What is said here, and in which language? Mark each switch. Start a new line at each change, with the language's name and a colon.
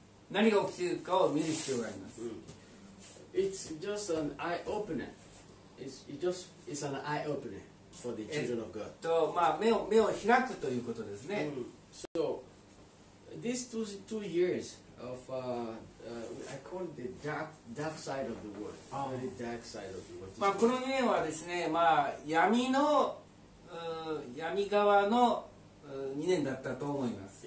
Japanese: 何が起きているかを見る必要があります。
English: It's just an eye opener. It's an eye opener for the children of God.
Japanese: 目を開くということですね。
English: So these two years. Of I call it the dark side of the world. The dark side of the world.
Japanese: この2年はですね、闇側の2年だったと思います。